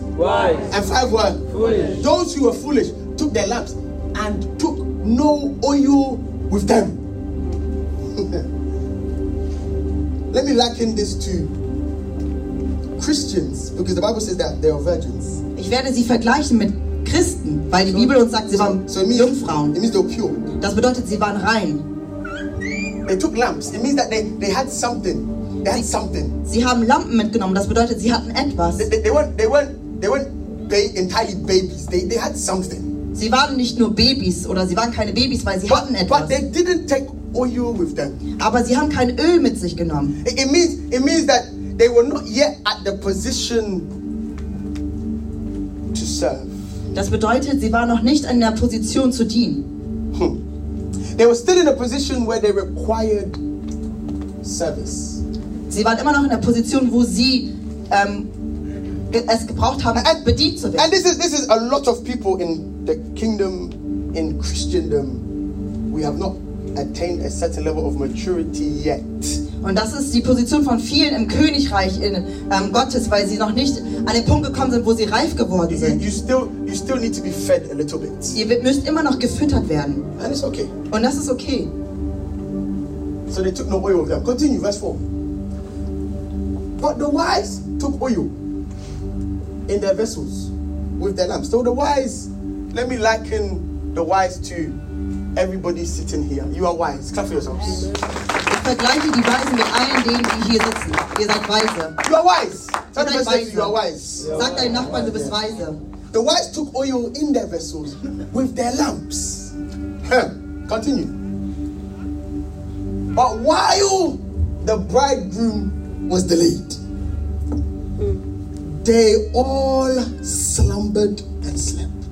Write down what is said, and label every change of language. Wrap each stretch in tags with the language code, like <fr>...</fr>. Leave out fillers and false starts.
<en>Wise. And 5 were foolish. Those who were foolish took their lamps and took no oil with them. Let me liken this to Christians, because the Bible says that they are virgins.</en> <de>Ich werde sie vergleichen mit Christen, weil die Bibel uns sagt, sie waren Jungfrauen.</de> <en>It means they were pure.</en> <de>Das bedeutet, sie waren rein.</de> <en>They took lamps. It means that they had something. They had something.</en> <de>Sie haben Lampen mitgenommen. Das bedeutet, sie hatten etwas.</de> <en>They weren't entirely babies. They had something.</en> <de>Sie waren nicht nur Babys oder sie waren keine Babys, weil sie hatten etwas.</de> <en>But they didn't take oil with them.</en> <de>Aber sie haben kein Öl mit sich genommen.</de> <en>It means that they were not yet at the position to serve.</en> <de>Das bedeutet, sie waren noch nicht in der Position zu dienen.</de> <en>They were still in a position where they required service.</en> <de>Sie waren immer noch in der Position, wo sie es gebraucht haben, bedient zu werden.</de> <en>And this is a lot of people in the kingdom, in Christendom. We have not attained a certain level of maturity yet.</en> <de>Und das ist die Position von vielen im Königreich in Gottes, weil sie noch nicht an den Punkt gekommen sind, wo sie reif geworden sind.</de> <en>You still need to be fed a little bit.</en> <de>Ihr müsst immer noch gefüttert werden.</de> <en>And it's okay.</en> <de>Und das ist okay.</de> <en>So they took no oil with them. Continue, verse 4. But the wise took oil in their vessels with their lamps. So the wise, let me liken the wise to everybody sitting here. You are wise. Clap for yourselves.</en> <de>Ich vergleiche die Weisen mit allen denen, die hier sitzen. Ihr seid weise.</de> <en>You are wise. Tell the person you are wise.</en> <de>Sag deinem Nachbarn, du bist weise.</de> <en>The wise took oil in their vessels with their lamps. Continue. But while the bridegroom was delayed, they all slumbered and slept.</en>